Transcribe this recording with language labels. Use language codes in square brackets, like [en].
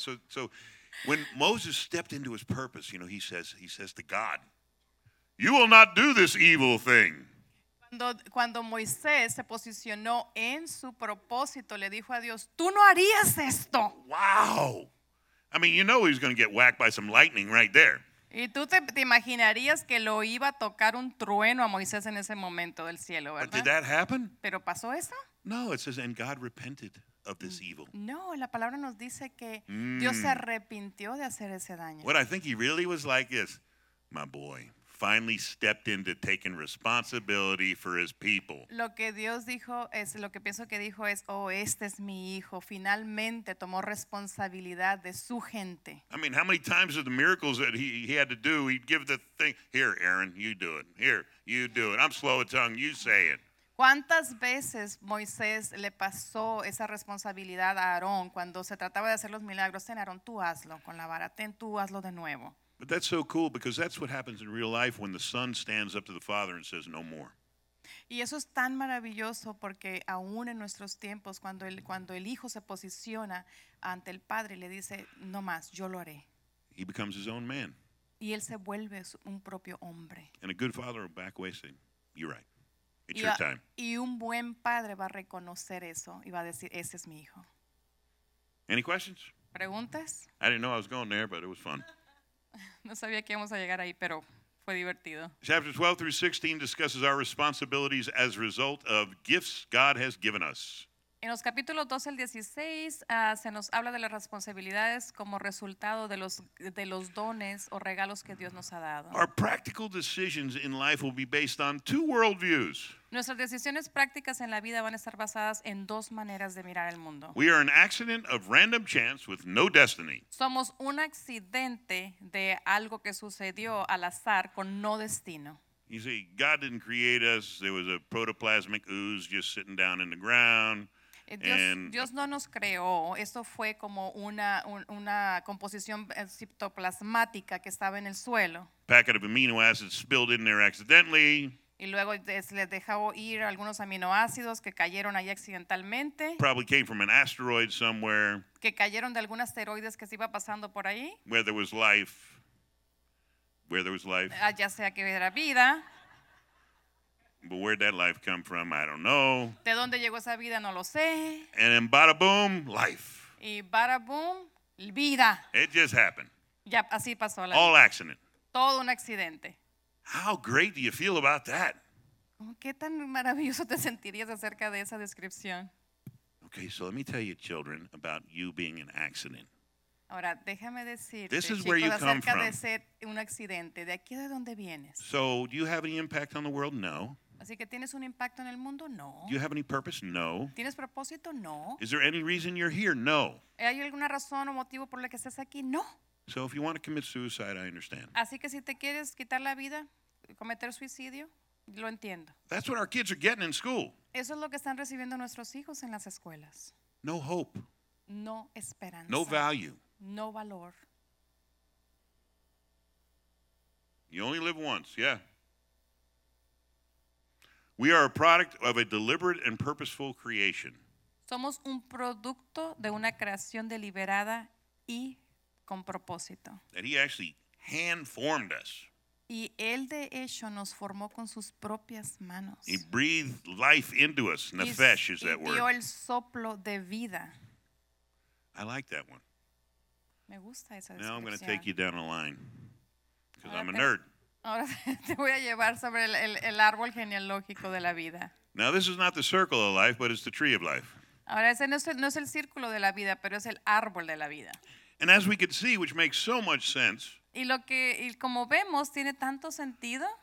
[en] So when Moses stepped into his purpose, you know, he says to God, "You will not do this evil thing." [es] Cuando Moisés se posicionó en su propósito, le dijo a Dios, "Tú no harías esto." [en] Wow. I mean, you know he's going to get whacked by some lightning right there. [es] ¿Y tú te imaginarías que lo iba a tocar un trueno a Moisés en ese momento del cielo, verdad? [en] But did that happen? [es] ¿Pero pasó eso? [en] No, it says, and God repented of this evil. [es] No, la palabra nos dice que Dios se arrepintió de hacer ese daño. [en] What I think he really was like is, my boy finally stepped into taking responsibility for his people. [es] Lo que Dios dijo es lo que pienso que dijo es, oh, este es mi hijo. Finalmente tomó responsabilidad de su gente. [en] I mean, how many times are the miracles that he had to do? He'd give the thing here, Aaron, you do it. Here, you do it. I'm slow of tongue. You say it. [es] ¿Cuántas veces Moisés le pasó esa responsabilidad a Aarón cuando se trataba de hacer los milagros? Ten, Aarón, tú hazlo con la vara. Ten, tú hazlo de nuevo. [en] But that's so cool because that's what happens in real life when the son stands up to the father and says no more. [es] Y eso es tan maravilloso porque aún en nuestros tiempos cuando el hijo se posiciona ante el padre y le dice no más, yo lo haré. [en] He becomes his own man. [es] Y él se vuelve un propio hombre. [en] And a good father will back away and say, you're right. It's your time. [es] Y un buen padre va a reconocer eso y va a decir, ese es mi hijo. [en] Any questions? [es] ¿Preguntas? [en] I didn't know I was going there, but it was fun. [es] No sabía que íbamos a llegar ahí, pero fue divertido. [en] Chapter 12 through 16 discusses our responsibilities as a result of gifts God has given us. [es] En los capítulos 12 al 16 se nos habla de las responsabilidades como resultado de los dones o regalos que Dios nos ha dado. [en] Our practical decisions in life will be based on two worldviews. [es] Nuestras decisiones prácticas en la vida van a estar basadas en dos maneras de mirar el mundo. [en] We are an accident of random chance with no destiny. [es] Somos un accidente de algo que sucedió al azar con no destino. [en] You see, God didn't create us. There was a protoplasmic ooze just sitting down in the ground. [es] Dios no nos creó. Esto fue como una composición citoplasmática que estaba en el suelo. [en] Packet of amino acids spilled in there accidentally. [es] Y luego les dejó ir algunos aminoácidos que cayeron ahí accidentalmente. [en] Probably came from an asteroid somewhere. [es] Que cayeron de algún asteroide que se iba pasando por ahí. [en] Where there was life. Where there was life. [es] Ya sea que era vida. [en] But where'd that life come from? I don't know. [es] ¿De dónde llegó esa vida? No lo sé. [en] And then bada boom, life. [es] Y bada boom, vida. [en] It just happened. [es] Ya, así pasó la [en] All [es] vida. [en] Accident. [es] Todo un accidente. [en] How great do you feel about that? [es] ¿Qué tan maravilloso te sentirías acerca de esa descripción? [en] Okay, so let me tell you, children, about you being an accident. [es] Ahora, déjame decirte, [en] this is [es] chicos, [en] where you come from. [es] De ser un accidente, de aquí de donde vienes. [en] So, do you have any impact on the world? No. [es] Así que tienes un impacto en el mundo? No. [en] Do you have any purpose? No. [es] ¿Tienes propósito? No. [en] Is there any reason you're here? No. [es] ¿Hay alguna razón o motivo por la que estás aquí? [en] No. So, if you want to commit suicide, I understand. [es] Así que si te quieres quitar la vida, cometer suicidio, lo entiendo. [en] That's what our kids are getting in school. [es] Eso es lo que están recibiendo nuestros hijos en las escuelas. [en] No hope. [es] No esperanza. [en] No value. [es] No valor. [en] You only live once, yeah. We are a product of a deliberate and purposeful creation. [es] Somos un producto de una creación deliberada y con propósito. [en] That he actually hand-formed us. [es] Y él de hecho nos formó con sus propias manos. [en] He breathed life into us. Nefesh is that word. [es] Y dio el soplo de vida. [en] I like that one. [es] Me gusta esa descripción. [en] Now I'm going to take you down a line because I'm a nerd. [es] Ahora te voy a llevar sobre el árbol genealógico de la vida. [en] Now this is not the circle of life, but it's the tree of life. [es] Ahora ese no es el círculo de la vida, pero es el árbol de la vida. [en] And as we could see, which makes so much sense. [es] Y lo que y como vemos tiene tanto sentido.